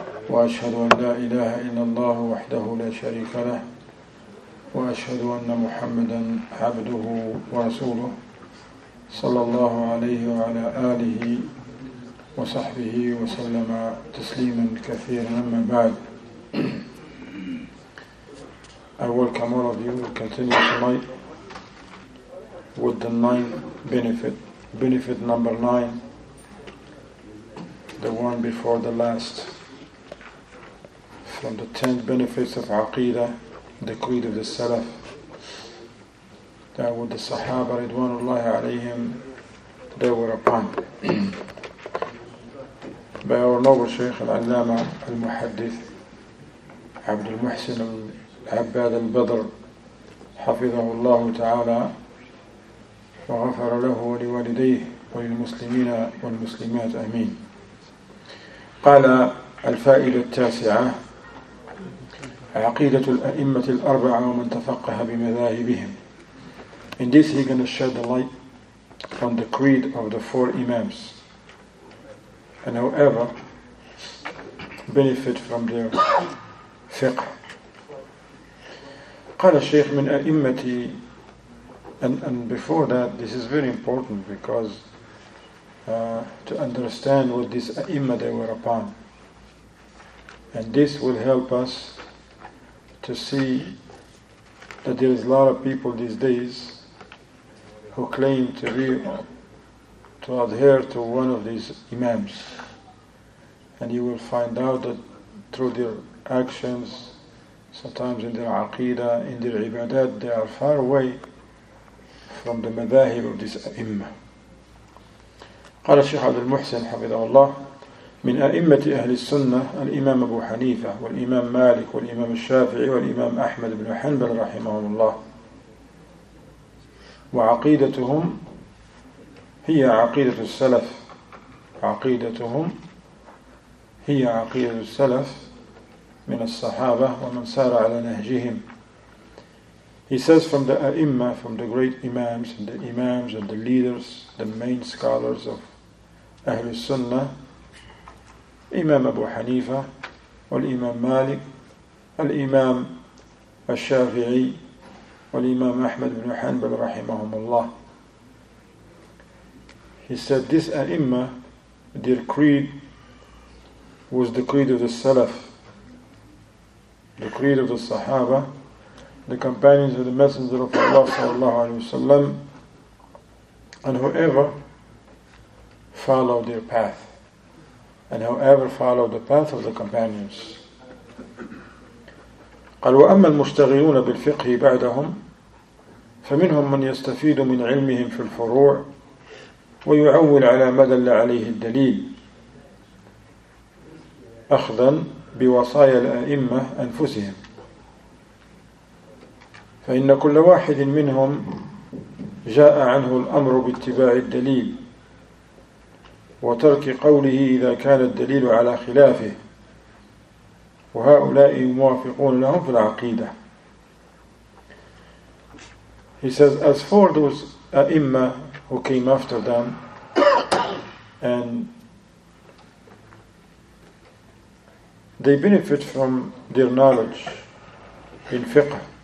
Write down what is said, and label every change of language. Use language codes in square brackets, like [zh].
[ar] وأشهد أن لا إله إلا الله وحده لا شريك له وأشهد أن محمدا عبده ورسوله صلى الله عليه وعلى آله وصحبه وسلم تسليما كثيرا. أما بعد, [en] I welcome all of you. We continue tonight with the ninth benefit number nine, the one before the last, from the 10 benefits of Aqeedah, the creed of the Salaf, that with the Sahaba Ridwanullah alayhim, they were upon. By our noble Shaykh Al-Allama Al-Muhaddith Abdul Muhsin Al-Abbad Al-Badr [ar] حفظه الله تعالى وغفر له ولوالديه وللمسلمين والمسلمات أمين. قال الفائدة التاسعة: عقيدة الأئمة الأربعة ومن تفقه بمذاهبهم. [en] In this he gonna shed the light from the creed of the four Imams, and whoever benefit from their fiqh. [ar] قال الشيخ من أئمتي, [en] and before that, this is very important because to understand what this أئمة they were upon. And this will help us to see that there is a lot of people these days who claim to adhere to one of these Imams. And you will find out that through their actions, sometimes in their aqidah, in their ibadat, they are far away from the madahib of this a'imma. [ar] قال الشيخ عبد المحسن حفظه الله من أئمة أهل السنة الإمام أبو حنيفة والإمام مالك والإمام الشافعي والإمام أحمد بن حنبل رحمه الله وعقيدتهم هي عقيدة السلف. عقيدتهم هي عقيدة السلف من الصحابة ومن سار على نهجهم. [en] He says from the a'imma, from the great imams and the leaders, the main scholars of أهل السنة, [ar] إمام أبو حنيفة والإمام مالك الإمام الشافعي والإمام أحمد بن حنبل رحمهم الله. [en] He said this a'imma, their creed was the creed of the Salaf, the creed of the Sahaba, the companions of the Messenger of Allah sallallahu alayhi wasallam, and whoever followed their path, and whoever followed the path of the companions. [ar] قال وأما المشتغلون بالفقه بعدهم فمنهم من يستفيد من علمهم في الفروع ويعول على ما دل عليه الدليل أخذا بوصايا الأئمة أنفسهم, فإن كل واحد منهم جاء عنه الأمر باتباع الدليل وترك قوله إذا كان الدليل على خلافه, وهؤلاء موافقون لهم في العقيدة. [en] He says, as for those أئمة who came after them and they benefit from their knowledge in fiqh,